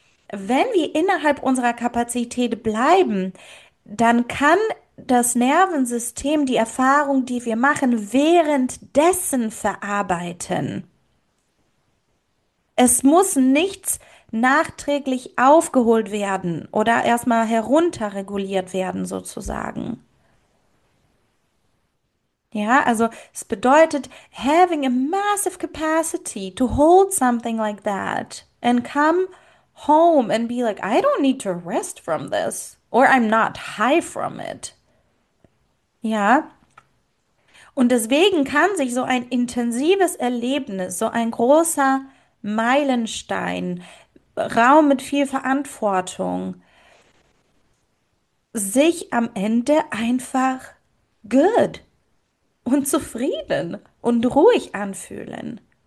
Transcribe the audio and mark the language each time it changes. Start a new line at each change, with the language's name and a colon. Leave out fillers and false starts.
German: Wenn wir innerhalb unserer Kapazität bleiben, dann kann das Nervensystem die Erfahrung, die wir machen, währenddessen verarbeiten. Es muss nichts nachträglich aufgeholt werden oder erstmal herunterreguliert werden, sozusagen. Ja, also es bedeutet,
English: having a massive capacity to hold something like that and come home and be like, I don't need to rest from this or I'm not high from it.
German: Ja. Und deswegen kann sich so ein intensives Erlebnis, so ein großer Meilenstein, Raum mit viel Verantwortung, sich am Ende einfach good und zufrieden und ruhig anfühlen.